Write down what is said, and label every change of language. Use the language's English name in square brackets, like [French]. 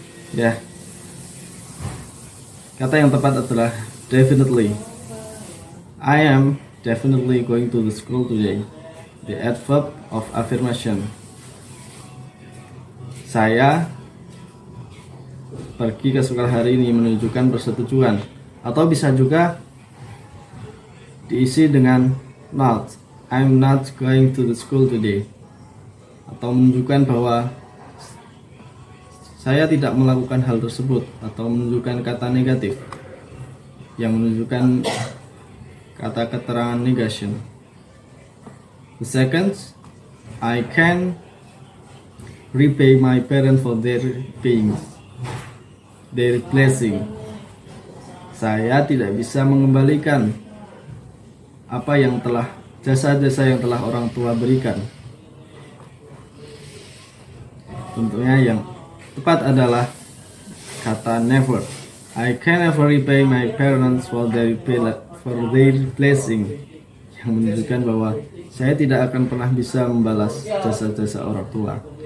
[Indonesian] Ya, kata yang tepat adalah definitely. [English] I am definitely going to the school today. The adverb of affirmation. Saya [Indonesian] pergi ke sekolah hari ini menunjukkan persetujuan. Atau bisa juga diisi dengan not, [English] I'm not going to the school today. [Indonesian] Atau menunjukkan bahwa saya tidak melakukan hal tersebut. Atau menunjukkan kata negatif yang menunjukkan kata keterangan negation. [English] The second, I can repay my parents for their payments, their blessing. [Indonesian] Saya tidak bisa mengembalikan apa yang telah, jasa-jasa yang telah orang tua berikan. Tentunya yang tepat adalah kata never. [English] I can never repay my parents for their blessing, [Indonesian] yang menunjukkan bahwa saya tidak akan pernah bisa membalas jasa-jasa orang tua.